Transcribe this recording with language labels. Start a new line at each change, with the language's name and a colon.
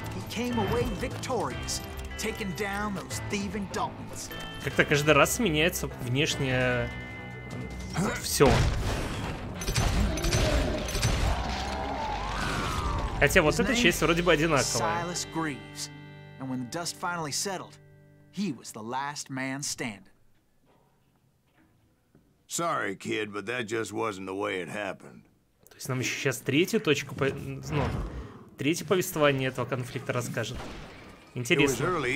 English: Came away victorious, taking down those thieving Daltons.
Russian: Как-то каждый раз меняется внешне вот все. Хотя вот эта часть вроде бы одинаковая.
English: Silas Greaves. And when the dust finally settled, he was the last man standing. Sorry, kid, but that just wasn't the way it happened.
Russian: То есть нам еще сейчас третью точку по... Ну, третье повествование этого конфликта расскажет. Интересно.